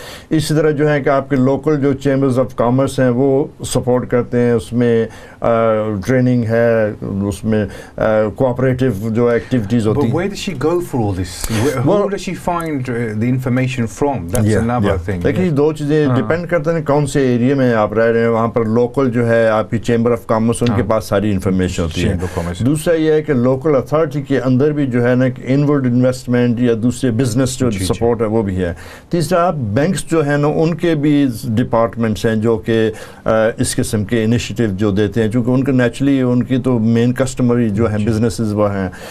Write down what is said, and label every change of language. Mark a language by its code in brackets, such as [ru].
[ur] اسی طرح جو ہے کہ آپ کے لوکل جو چیمبرز آف کامرس ہیں وہ سپورٹ کرتے ہیں, اس میں ٹریننگ ہے, اس میں کوآپریٹو جو ایکٹیویٹیز ہوتی ہیں. [en] But where does she go for all this? Where does she find the information from? That's another thing. [ur] دیکھیے دو چیزیں ڈپینڈ کرتے ہیں کون سے ایریے میں آپ رہ رہے ہیں, وہاں پر لوکل جو ہے آپ کی چیمبر آف کامرس ان کے پاس ساری انفارمیشن ہوتی ہے. دوسرا یہ ہے کہ لوکل اتھارٹی کے اندر بھی جو ہے نا انورڈ انویسٹمنٹ یا دوسرے بزنس جو سپورٹ ہے وہ بھی ہے. تیسرا آپ بینکس جو ہیں نا ان کے بھی ڈپارٹمنٹس ہیں جو کہ اس قسم کے انیشیٹو جو دیتے ہیں, چونکہ ان کے نیچرلی ان کی تو مین کسٹمر جو ہیں بزنسز وہ ہیں.